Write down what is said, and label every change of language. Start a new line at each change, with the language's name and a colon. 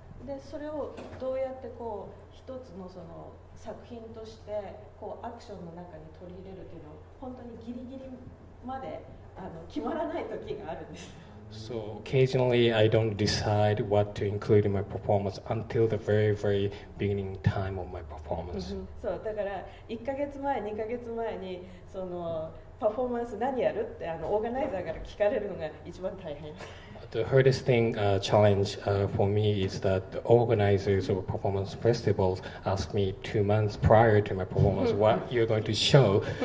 Japanese: でそれをどうやってこう一つ の, その作品としてこうアクションの中に取り入れるというのは本当にギリギリまで決まらない時があるんです。
English: So occasionally I don't decide what to include in my performance until the very very beginning time of my performance.
Japanese: そうだから1ヶ月前2ヶ月前にそのパフォーマンス何やるってオーガナイザーから聞かれるのが一番大変。
English: The hardest thing, challenge for me is that the organizers of performance festivals ask me 2 months prior to my performance what you're going to show.